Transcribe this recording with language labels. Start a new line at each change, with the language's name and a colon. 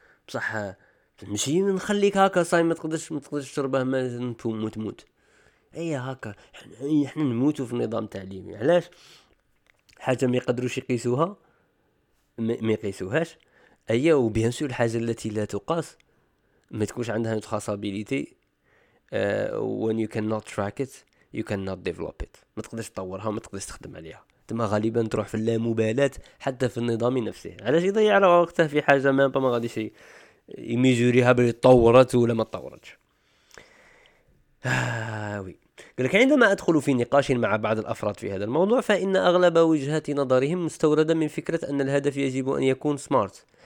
Arabic: بصح ماشي نخليك هكا صايم ما تقدرش تشربه ما تموت تموت. اي هكا احنا نموتوا في نظام تعليمي. علاش حاجه ما يقدروش يقيسوها ما يقيسوهاش؟ ايو بيان سور الحاجه التي لا تقاس ما تكونش عندها تراسابيليتي.
English: When you cannot track it, you cannot develop it.
Arabic: ما تقدرش تطورها وما تقدرش تخدم عليها. تما غالبا تروح في اللامبالاه حتى في النظام نفسه. علاش يضيع وقته في حاجه ما غاديش يميزوريها بلي تطورت ولا ما تطورتش. وي قال لك عندما ادخل في نقاش مع بعض الافراد في هذا الموضوع فان اغلب وجهات نظرهم مستورده من فكره ان الهدف يجب ان يكون سمارت.